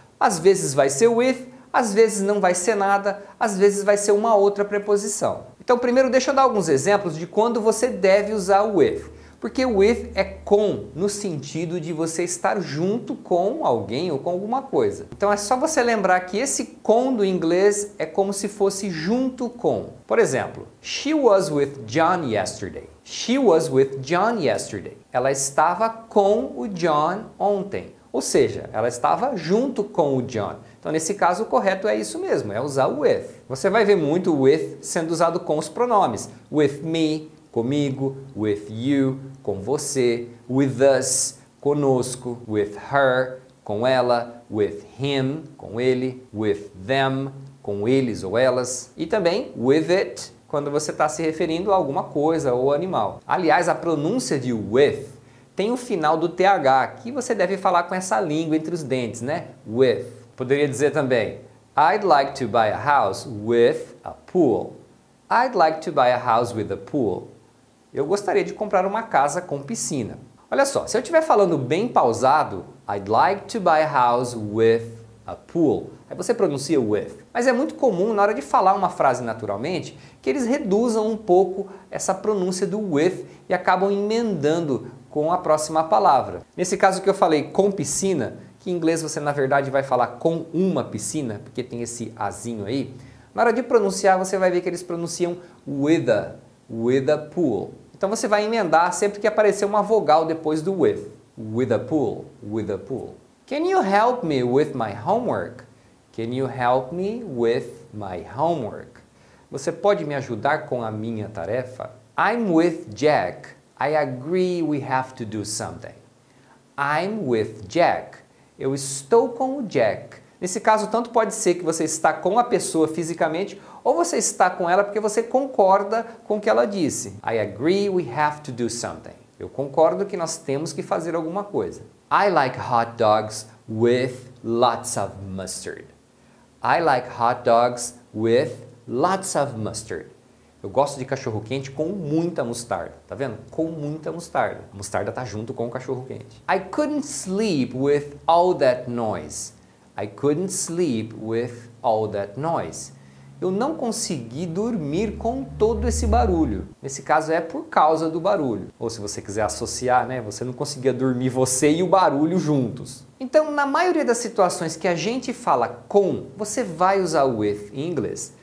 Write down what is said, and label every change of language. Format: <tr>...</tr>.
<pt>Às vezes vai ser with, às vezes não vai ser nada, às vezes vai ser uma outra preposição. Então primeiro deixa eu dar alguns exemplos de quando você deve usar with. Porque with é com, no sentido de você estar junto com alguém ou com alguma coisa. Então é só você lembrar que esse com do inglês é como se fosse junto com. Por exemplo,</pt> <en>she was with John yesterday. She was with John yesterday.</en> <pt>Ela estava com o John ontem. Ou seja, ela estava junto com o John. Então, nesse caso, o correto é isso mesmo, é usar o with. Você vai ver muito o with sendo usado com os pronomes. With me, comigo, with you, com você, with us, conosco, with her, com ela, with him, com ele, with them, com eles ou elas, e também with it, quando você está se referindo a alguma coisa ou animal. Aliás, a pronúncia de with tem o final do TH, que você deve falar com essa língua entre os dentes, né?</pt> <en>With.</en> <pt>Poderia dizer também,</pt> <en>I'd like to buy a house with a pool. I'd like to buy a house with a pool.</en> <pt>Eu gostaria de comprar uma casa com piscina. Olha só, se eu estiver falando bem pausado,</pt> <en>I'd like to buy a house with a pool.</en> <pt>Aí você pronuncia with. Mas é muito comum, na hora de falar uma frase naturalmente, que eles reduzam um pouco essa pronúncia do with e acabam emendando com a próxima palavra. Nesse caso que eu falei com piscina, que em inglês você na verdade vai falar com uma piscina, porque tem esse azinho aí, na hora de pronunciar você vai ver que eles pronunciam with a.</pt> <en>With a pool.</en> <pt>Então você vai emendar sempre que aparecer uma vogal depois do with.</pt> <en>With a pool. With a pool. Can you help me with my homework? Can you help me with my homework?</en> <pt>Você pode me ajudar com a minha tarefa?</pt> <en>I'm with Jack. I agree we have to do something. I'm with Jack.</en> <pt>Eu estou com o Jack. Nesse caso, tanto pode ser que você está com a pessoa fisicamente ou você está com ela porque você concorda com o que ela disse.</pt> <en>I agree we have to do something.</en> <pt>Eu concordo que nós temos que fazer alguma coisa.</pt> <en>I like hot dogs with lots of mustard. I like hot dogs with lots of mustard.</en> <pt>Eu gosto de cachorro quente com muita mostarda. Tá vendo? Com muita mostarda. A mostarda tá junto com o cachorro quente.</pt> <en>I couldn't sleep with all that noise. I couldn't sleep with all that noise.</en> <pt>Eu não consegui dormir com todo esse barulho. Nesse caso é por causa do barulho. Ou se você quiser associar, né? Você não conseguia dormir você e o barulho juntos. Então, na maioria das situações que a gente fala com, você vai usar o with em inglês.</pt>